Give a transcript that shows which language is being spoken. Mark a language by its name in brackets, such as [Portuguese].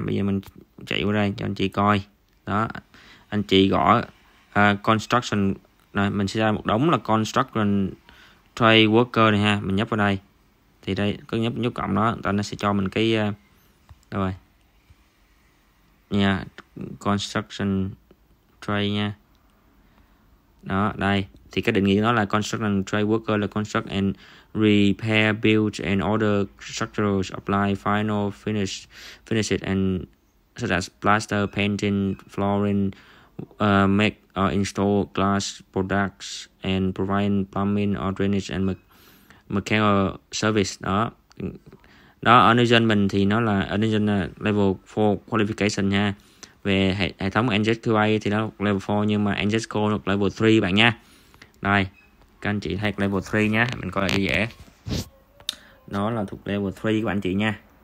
[Vietnamese] Bây giờ mình chạy qua đây cho anh chị coi. Đó, anh chị gõ construction rồi mình sẽ ra một đống là construction trade worker này ha, mình nhấp vào đây thì đây cứ nhấp nhấp cộng đó, ta nó sẽ cho mình cái đâu rồi nha, construction trade nha. Đó, đây thì cái định nghĩa nó là [English] construction trade worker là construct and repair, build and order structures, apply final finish it and such as plaster, painting, flooring, make or install glass products and provide plumbing or drainage and mechanical service. [Vietnamese] Đó, đó ở New Zealand mình thì nó là ở New Zealand level 4 qualification nha. Về hệ thống NZQA thì nó level 4 nhưng mà NZCO nó level 3 bạn nha. Đây, các anh chị thấy level 3 nha, mình coi lại cho dễ. Nó là thuộc level 3 của anh chị nha.